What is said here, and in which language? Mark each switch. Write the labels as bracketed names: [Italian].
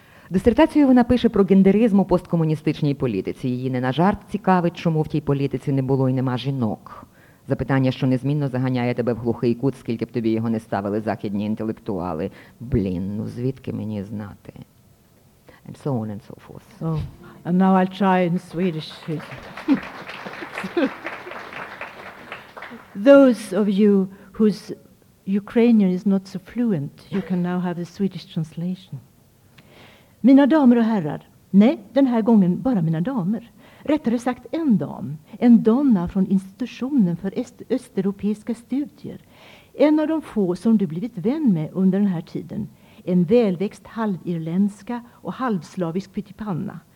[Ukrainian] Дисертацію вона пише про гендеризм у посткомуністичній політиці. Її не на жарт цікавить, чому в тій політиці не було і нема жінок. Запитання, що незмінно заганяє тебе в глухий кут, скільки б тобі його не ставили західні інтелектуали. Блін, ну звідки мені знати? [English] And so on and so forth. So, and now I'll try in Swedish. Those of you whose Ukrainian is not so fluent, you can now have the Swedish translation. [Swedish] Mina damer och herrar, nej, den här gången bara mina damer. Rättare sagt en dam, en donna från institutionen för östeuropeiska studier. En av de få som du blivit vän med under den här tiden. En välväxt halvirländska och halvslavisk pyttipanna.